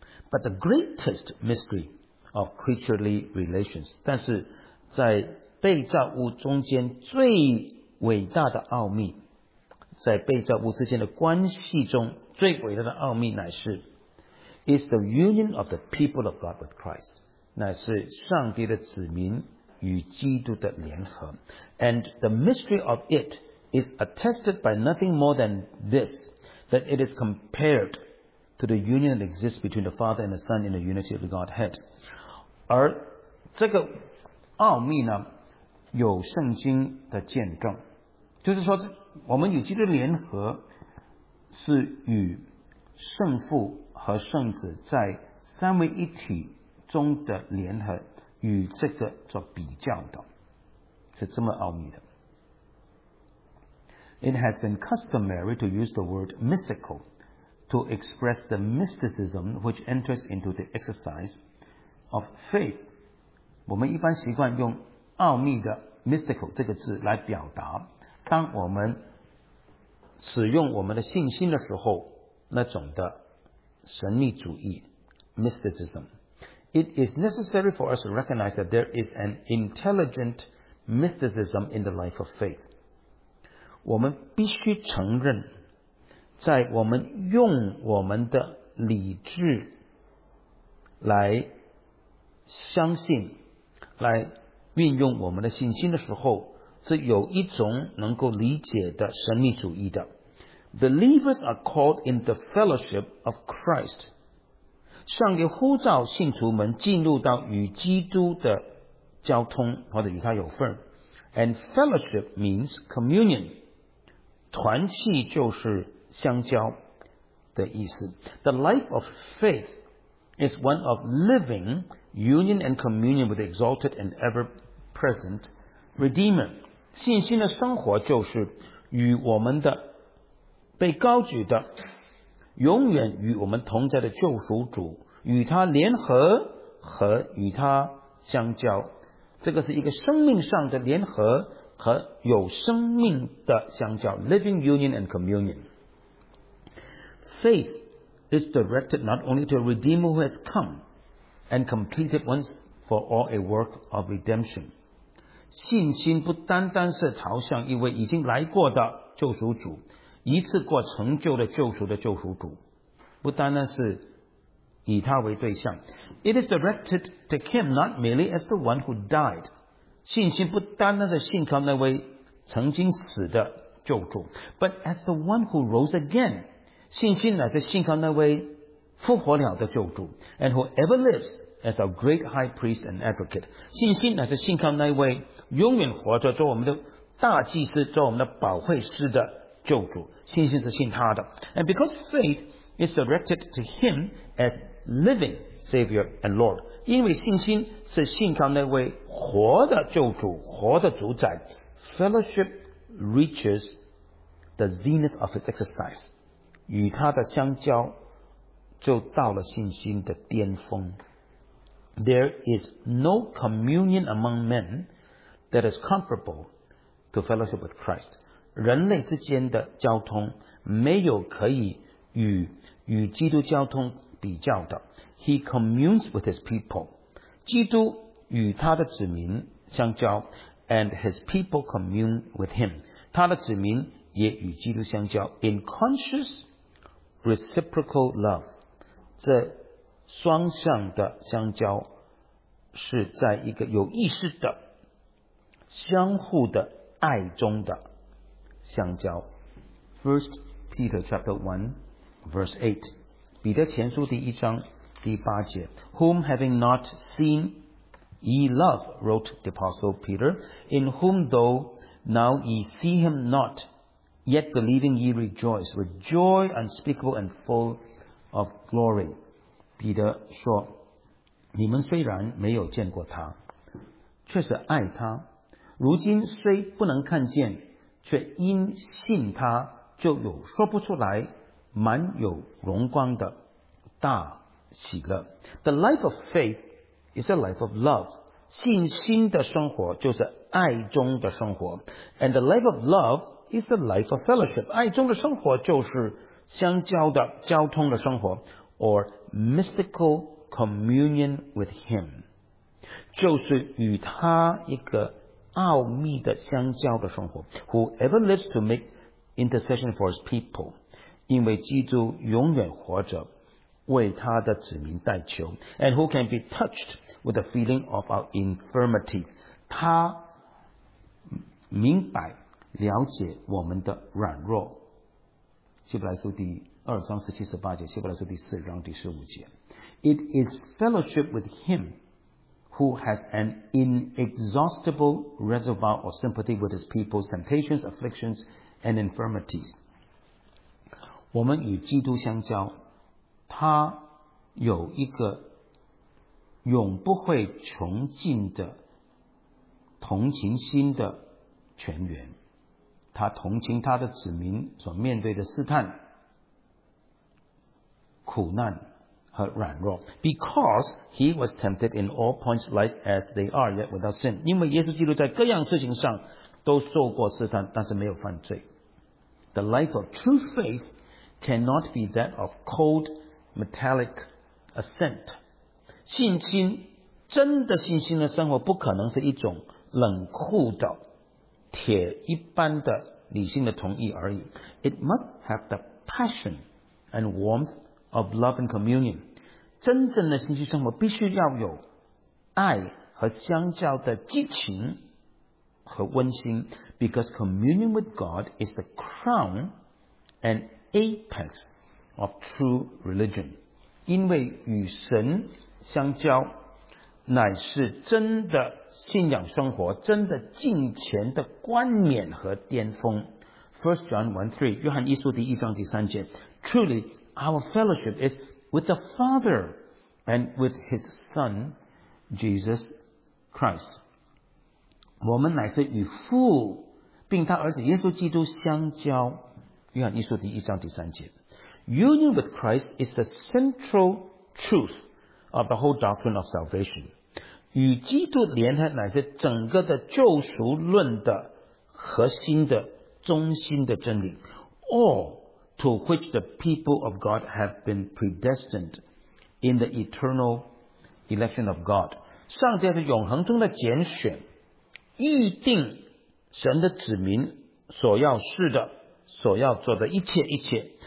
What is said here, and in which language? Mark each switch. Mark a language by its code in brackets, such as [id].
[en] But the greatest mystery of creaturely relations, [zh] 但是在被造物中间最伟大的奥秘，在被造物之间的关系中最伟大的奥秘乃是 [en] is the union of the people of God with Christ, [zh] 乃是上帝的子民与基督的联合。 [en] And the mystery of it is attested by nothing more than this, that it is compared to the union that exists between the Father and the Son in the unity of the Godhead. [zh] 而这个奥秘呢有圣经的见证，就是说我们与基督联合是与圣父和圣子在三位一体中的联合与这个做比较的，是这么奥秘的。 [en] It has been customary to use the word mystical to express the mysticism which enters into the exercise of faith. [zh] 我们一般习惯用奥秘的 mystical 这个字来表达，当我们使用我们的信心的时候，那种的神秘主义 mysticism。 [en] It is necessary for us to recognize that there is an intelligent mysticism in the life of faith. [zh] 我们必须承认，在我们用我们的理智来相信，来运用我们的信心的时候，是有一种能够理解的神秘主义的。 [en] Believers are called in the fellowship of Christ. [zh] 上帝呼召信徒们进入到与基督的交通，或者与他有份。 [en] And fellowship means communion. [zh] 团契就是相交的意思。 [en] The life of faith is one of living union and communion with the exalted and ever-present Redeemer. [zh] 信心的生活就是与我们的被高举的永远与我们同在的救赎主，与他联合和与他相交，这个是一个生命上的联合和有生命的相交 ， [en] living union and communion. Faith is directed not only to a Redeemer who has come and completed once for all a work of redemption. [zh] 信心不单单是朝向一位已经来过的救赎主。一次过成就了救赎的救赎主，不单单是以他为对象。 [en] It is directed to him not merely as the one who died. [zh] 信心不单单是信靠那位曾经死的救主 ， [en] but as the one who rose again. [zh] 信心乃是信靠那位复活了的救主 [en] ，and who ever lives as our great high priest and advocate. [zh] 信心乃是信靠那位永远活着做我们的大祭司、做我们的保惠师的。救主，信心是信他的。 [en] And because faith is directed to him as living Savior and Lord, [zh] 因为信心是信靠那位活的救主、活的主宰。 [en] Fellowship reaches the zenith of its exercise, [zh] 与他的相交就到了信心的巅峰。 [en] There is no communion among men that is comparable to fellowship with Christ. [zh] 人类之间的交通没有可以与基督交通比较的。 [en] He communes with his people. [zh] 基督与他的子民相交 [en] and his people commune with him. [zh] 他的子民也与基督相交 [en] in conscious reciprocal love. [zh] 这双向的相交是在一个有意识的相互的爱中的相交。 [en] First Peter chapter 1 verse 8, [zh] 彼得前书第一章第八节 [en] Whom having not seen ye love, wrote the apostle Peter, in whom though now ye see him not, yet believing ye rejoice with joy unspeakable and full of glory. [zh] 彼得说，你们虽然没有见过他，却是爱他，如今虽不能看见，却因信他就有说不出来满有荣光的大喜乐。 [en] The life of faith is a life of love. [zh] 信心的生活就是爱中的生活。 [en] And the life of love is a life of fellowship. [zh] 爱中的生活就是相交的交通的生活， [en] or mystical communion with him， [zh] 就是与他一个奥秘的相交的生活。 [en] Who ever lives to make intercession for his people， [zh] 因为基督永远活着为他的子民代求。 [en] And who can be touched with the feeling of our infirmities， [zh] 他明白了解我们的软弱。希伯来书第二章十七十八节，希伯来书第四章第十五节。 [en] It is fellowship with himwho has an inexhaustible reservoir of sympathy with his people's temptations, afflictions, and infirmities. [zh] 我们与基督相交，他有一个永不会穷尽的同情心的泉源，他同情他的子民所面对的试探、苦难和软弱。 [en] Because he was tempted in all points like as they are, yet without sin. [zh] 因为耶稣基督在各样事情上都受过试探，但是没有犯罪。 [en] The life of true faith cannot be that of cold, metallic assent. [zh] 信心，真的信心的生活不可能是一种冷酷的铁一般的理性的同意而已。 [en] It must have the passion and warmth of love and communion. [zh] 真正的信心生活必须要有爱和相交的激情和温馨。 [en] Because communion with God is the crown and apex of true religion. [zh] 因为与神相交乃是真的信仰生活，真的敬虔的冠冕和巅峰。 [en] 1 John 1:3， [zh] 约翰一书第一章第三节， [en] Truly our fellowship is with the Father and with his Son Jesus Christ. [zh] 我们乃是与父并他儿子耶稣基督相交，约翰一书第一章第三节。 [en] Union with Christ is the central truth of the whole doctrine of salvation. [zh] 与基督联合乃是整个的救赎论的核心的中心的真理。 [en] All to which the people of God have been predestined in the eternal election of God. [zh] 上帝是永恒中的拣选，预定神的子民所要事的，所要做的一切一切。